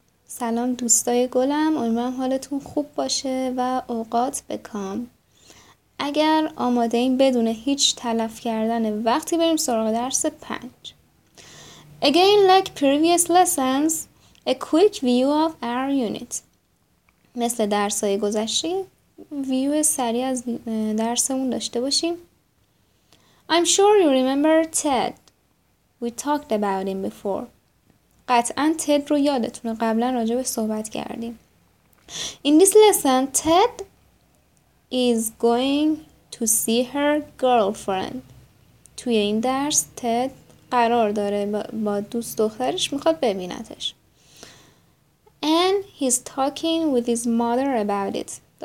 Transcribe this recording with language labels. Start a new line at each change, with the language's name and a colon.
Persian: سلام دوستای گلم، امیدوارم حالتون خوب باشه و اوقات بکام. اگر آماده این بدون هیچ تلف کردن وقتی بریم سراغ درس 5.
English: Again like previous lessons, a quick view of our unit.
Persian: مثل درس‌های گذشته ویو سریع از درسمون داشته باشیم.
English: I'm sure you remember Ted. We talked about him before.
Persian: قطعا تد رو یادتونه، قبلا راجع به صحبت کردیم.
English: In this lesson, Ted is going to see her girlfriend.
Persian: توی این درس تد قرار داره با دوست دخترش میخواد ببینتش.
English: And he's talking with his mother about it.